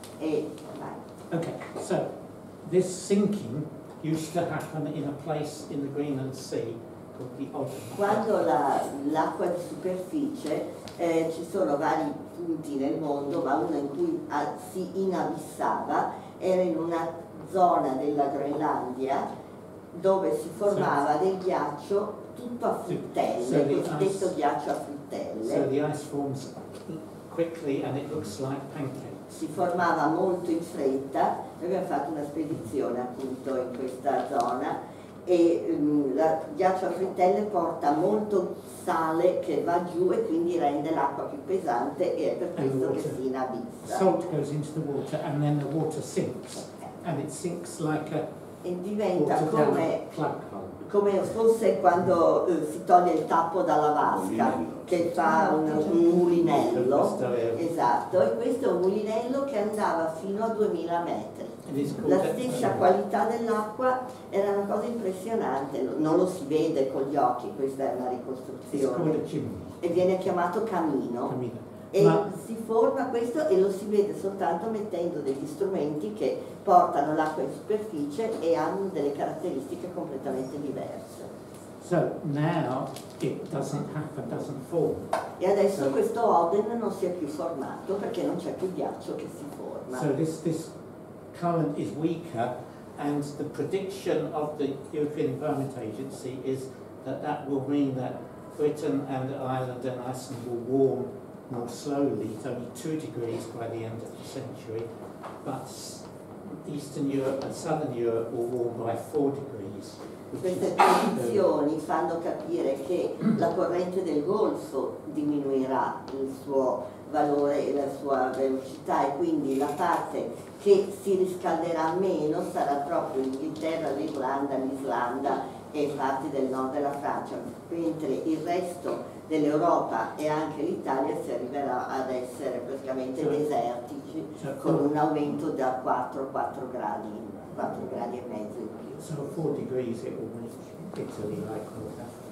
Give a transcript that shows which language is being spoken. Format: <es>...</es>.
<en>Okay, so this sinking used to happen in a place in the Greenland Sea called the Odden.</en> <it>Quando l'acqua di superficie, ci sono vari punti nel mondo, ma uno in cui si inabissava era in una zona della Groenlandia dove si formava del ghiaccio tutto a frittelle, so cosiddetto ice, ghiaccio a frittelle.</it> <en>So the ice forms quickly and it looks like pancakes.</en> <it>Si formava molto in fretta, noi abbiamo fatto una spedizione appunto in questa zona e il ghiaccio a frittelle porta molto sale che va giù e quindi rende l'acqua più pesante e è per questo che si inabissa.</it> <en>Salt goes into the water and then the water sinks and it sinks like a</en> <it>e diventa come, come fosse quando si toglie il tappo dalla vasca che fa un mulinello, esatto, e questo è un mulinello che andava fino a 2000 metri. La stessa qualità dell'acqua era una cosa impressionante, non lo si vede con gli occhi, questa è una ricostruzione, e viene chiamato camino. E ma si forma questo e lo si vede soltanto mettendo degli strumenti che portano l'acqua in superficie e hanno delle caratteristiche completamente diverse.</it> <en>So now it doesn't happen, doesn't form.</en> <it>E adesso questo Oden non si è più formato perché non c'è più ghiaccio che si forma.</it> <en>So this current is weaker and the prediction of the European Environment Agency is that that will mean that Britain and Ireland and Iceland will warm more slowly, it's only 2 degrees by the end of the century, but Eastern Europe and Southern Europe will warm by 4 degrees.</en> <it>Queste previsioni fanno capire che la corrente del Golfo diminuirà il suo valore e la sua velocità e quindi la parte che si riscalderà meno sarà proprio l'Inghilterra, l'Irlanda, l'Islanda e parte del nord della Francia, mentre il resto dell'Europa e anche l'Italia si arriverà ad essere praticamente desertici con un aumento da 4 gradi e mezzo in più.</it> <en>So 4 degrees it will make Italy like all that.</en>